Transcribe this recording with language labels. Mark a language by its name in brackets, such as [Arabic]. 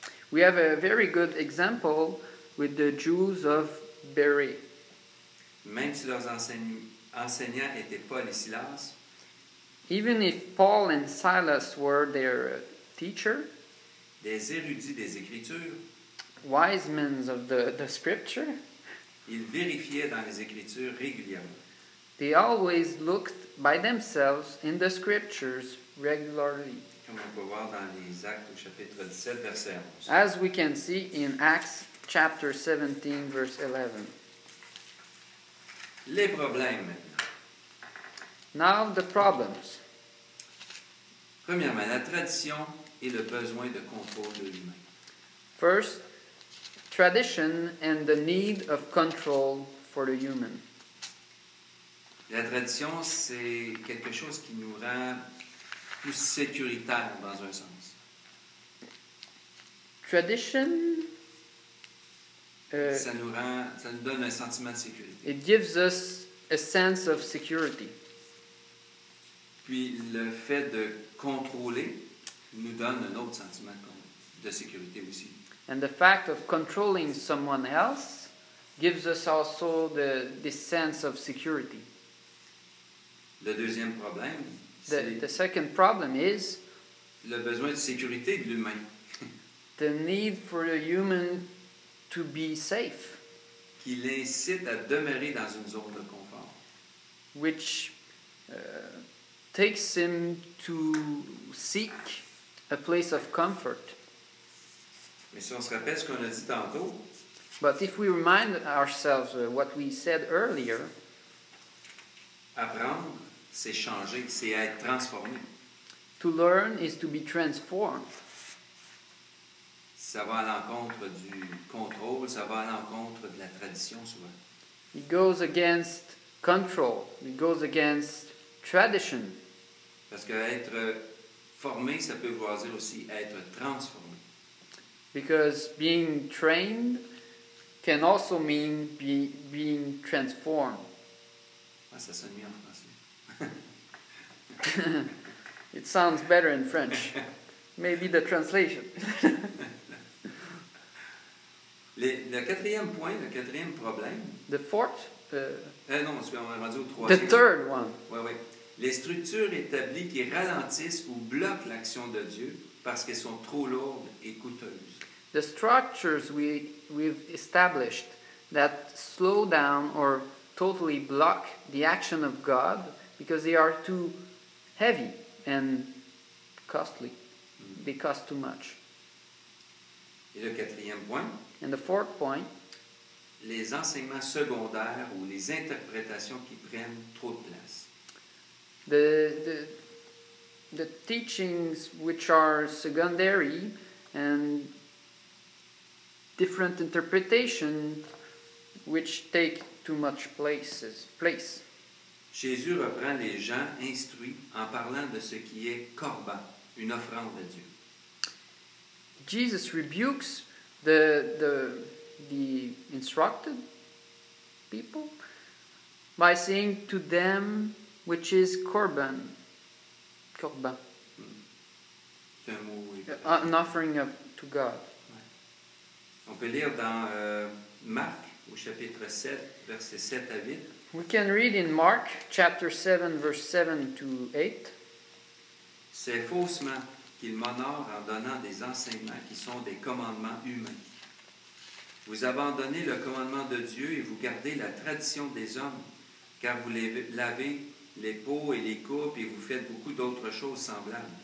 [English] We have a very good example with the Jews of Berea. [French] Même si leurs enseignants étaient Paul et Silas. [English] Even if Paul and Silas were their teacher, [French] des érudits des Écritures, [English] wise men of the Scripture, [French] ils vérifiaient dans les Écritures régulièrement. [English] They always looked by themselves in the Scriptures regularly. [French] Comme on peut voir dans les Actes au chapitre 17, verset 11. [English] As we can see in Acts chapter 17, verse 11. [French] Les problèmes. [English] Now the problems. [French] Premièrement, la tradition et le besoin de contrôle de l'humain. [English] First, tradition and the need of control for the human. [French] La tradition, c'est quelque chose qui nous rend plus sécuritaire dans un sens. [English] Tradition. [French] Ça nous donne un sentiment de sécurité. [English] It gives us a sense of security. [French] Puis le fait de contrôler nous donne un autre sentiment de sécurité aussi. [English] And the fact of controlling someone else gives us also this sense of security. [French] Le deuxième problème, [English] the second problem is [French] le besoin de sécurité de l'humain. [English] The need for the human to be safe. [French] Qui l'incite à demeurer dans une zone de confort. [English] Which takes him to seek a place of comfort. [French] Mais si on se rappelle ce qu'on a dit tantôt, [English] but if we remind ourselves what we said earlier, [French] apprendre, c'est changer, c'est être transformé. [English] To learn is to be transformed. [French] Ça va à l'encontre du contrôle, ça va à l'encontre de la tradition souvent. [English] It goes against control, it goes against tradition. [French] Parce que être formé, ça peut vouloir dire aussi être transformé. [English] Because being trained can also mean being transformed. [French] Ah, ça sonne mieux en français. [English] It sounds better in French. Maybe the translation. [French] Le quatrième problème. [English] The fourth. [French] Non, on est rendu au troisième. [English] The third one. [French] Oui. Les structures établies qui ralentissent ou bloquent l'action de Dieu parce qu'elles sont trop lourdes et coûteuses. [English] The structures we've established that slow down or totally block the action of God because they are too heavy and costly. They cost too much. [French] Et le quatrième point. [English] And the fourth point. [French] Les enseignements secondaires ou les interprétations qui prennent trop de place. [English] The teachings which are secondary and different interpretations which take too much place. [French] Jésus reprend les gens instruits en parlant de ce qui est corban, une offrande à Dieu. [English] Jesus rebukes the instructed people by saying to them which is korban. Korban. [French] C'est un mot, oui. [English] An offering to God. [French] Ouais. On peut lire dans Marc, au chapitre 7, verset 7 à 8. [English] We can read in Mark, chapter 7, verse 7 to 8. [French] C'est faussement qu'il m'honore en donnant des enseignements qui sont des commandements humains. Vous abandonnez le commandement de Dieu et vous gardez la tradition des hommes, car vous les lavez les peaux et les coupes et vous faites beaucoup d'autres choses semblables.